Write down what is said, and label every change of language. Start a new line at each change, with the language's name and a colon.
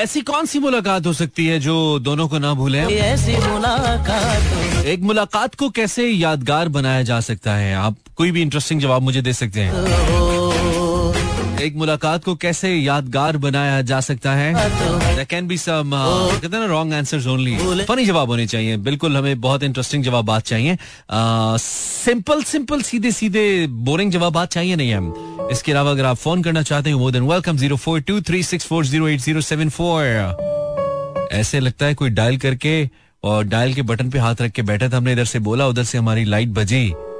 Hindi: ऐसी कौन सी मुलाकात हो सकती है जो दोनों को ना भूले? एक मुलाकात को कैसे यादगार बनाया जा सकता है? आप कोई भी इंटरेस्टिंग जवाब मुझे दे सकते हैं. एक मुलाकात को कैसे यादगार बनाया जा सकता है?
English: There can be some,
Hindi: कहते ना,
English: wrong answers only.
Hindi: फनी जवाब होने चाहिए. बिल्कुल, हमें बहुत इंटरेस्टिंग जवाब बात चाहिए. सिंपल सिंपल सीधे सीधे बोरिंग जवाब बात चाहिए नहीं हम. इसके अलावा अगर आप फोन करना चाहते हैं, मोर देन वेलकम. 04236408074. ऐसे लगता है कोई डायल करके और डायल के बटन पे हाथ रख के बैठे थे. हमने इधर से बोला, उधर से हमारी लाइट बजी.